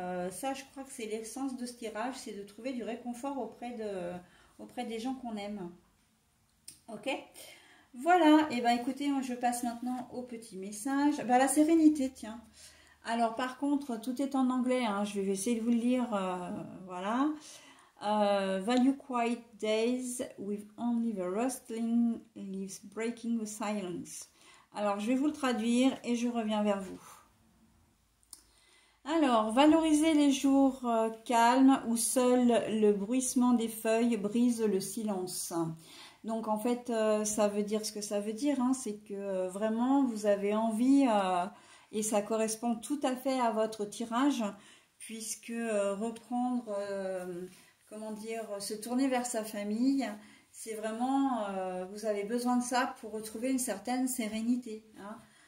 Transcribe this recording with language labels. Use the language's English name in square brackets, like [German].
[French] Ça, je crois que c'est l'essence de ce tirage, c'est de trouver du réconfort auprès des gens qu'on aime. Ok? Voilà, et ben écoutez, moi je passe maintenant au petit message. Ben, la sérénité, tiens. Alors par contre, tout est en anglais, hein, je vais essayer de vous le lire. Voilà. [English] Value quiet days with only the rustling leaves breaking the silence. [French] Alors je vais vous le traduire et je reviens vers vous. Alors, valoriser les jours calmes où seul le bruissement des feuilles brise le silence. Donc en fait, ça veut dire ce que ça veut dire, hein, c'est que vraiment vous avez envie, et ça correspond tout à fait à votre tirage, puisque reprendre, comment dire, se tourner vers sa famille, c'est vraiment, vous avez besoin de ça pour retrouver une certaine sérénité, hein.